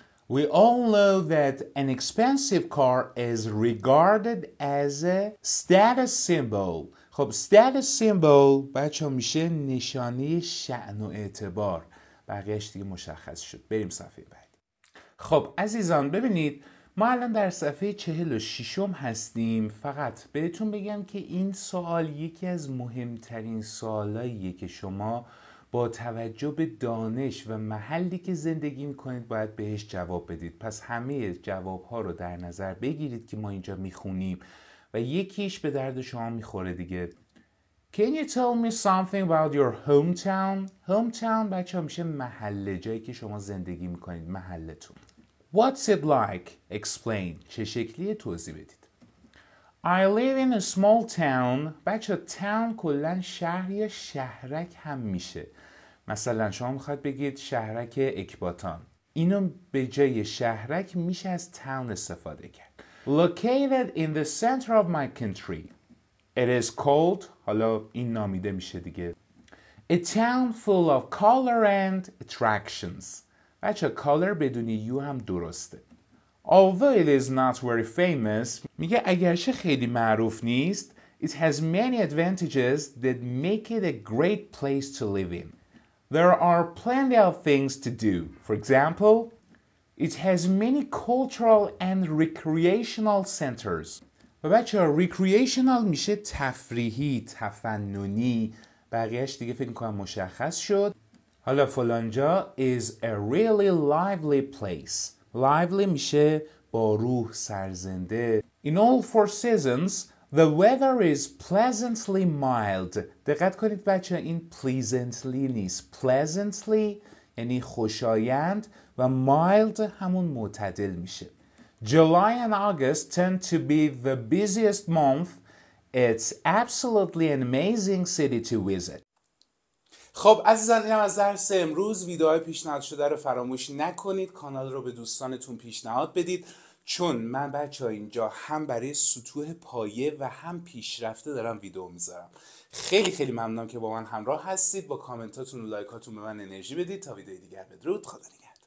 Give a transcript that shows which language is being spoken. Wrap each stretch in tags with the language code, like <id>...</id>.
<en>We all know that an expensive car is regarded as a status symbol.</en> <fa>خب status symbol بچه ها میشه نشانه شأن و اعتبار. بقیهش دیگه مشخص شد. بریم صفحه بعد. خب عزیزان ببینید، ما الان در صفحه 46 هستیم. فقط بهتون بگم که این سوال یکی از مهمترین سوالاییه که شما با توجه به دانش و محلی که زندگی میکنید باید بهش جواب بدید. پس همه جوابها رو در نظر بگیرید که ما اینجا میخونیم و یکیش به درد شما میخوره دیگه.</fa> <en>Can you tell me something about your hometown?</en> <fa>Hometown بچه ها میشه محله، جایی که شما زندگی میکنید، محلتون.</fa> <en>What's it like? Explain.</en> <fa>چه شکلیه؟ توضیح بدید.</fa> <en>I live in a small town.</en> <fa>بچه town کلن شهر یا شهرک هم میشه. مثلا شما میخواد بگید شهرک اکباتان. اینو به جای شهرک میشه از town استفاده کرد.</fa> <en>Located in the center of my country. It is called.</en> <fa>حالا این نامیده میشه دیگه.</fa> <en>A town full of color and attractions.</en> <fa>بچه color بدونی یو هم درسته.</fa> <en>Although it is not very famous,</en> <fa>میگه اگرچه خیلی معروف نیست,</fa> <en>it has many advantages that make it a great place to live in. There are plenty of things to do. For example, it has many cultural and recreational centers.</en> <fa>و بچه recreational میشه تفریحی، تفننی. بقیهش دیگه فکر کنم مشخص شد. حالا فلانجا</fa> <en>is a really lively place.</en> <fa>Lively میشه با روح، سرزنده.</fa> <en>In all four seasons, the weather is pleasantly mild.</en> <fa>دقت کنید بچه این pleasantly نیست. Pleasantly یعنی خوشایند و mild همون معتدل میشه.</fa> <en>July and August tend to be the busiest month. It's absolutely an amazing city to visit.</en> <fa>خب عزیزان اینم از درس امروز. ویدیوهای پیشنهاد شده رو فراموش نکنید. کانال رو به دوستانتون پیشنهاد بدید. چون من بچه ها اینجا هم برای سطوح پایه و هم پیشرفته دارم ویدیو میذارم. خیلی خیلی ممنونم که با من همراه هستید. با کامنتاتون و لایکاتون به من انرژی بدید. تا ویدیوی دیگر بدرود. خدا نگهدار.</fa>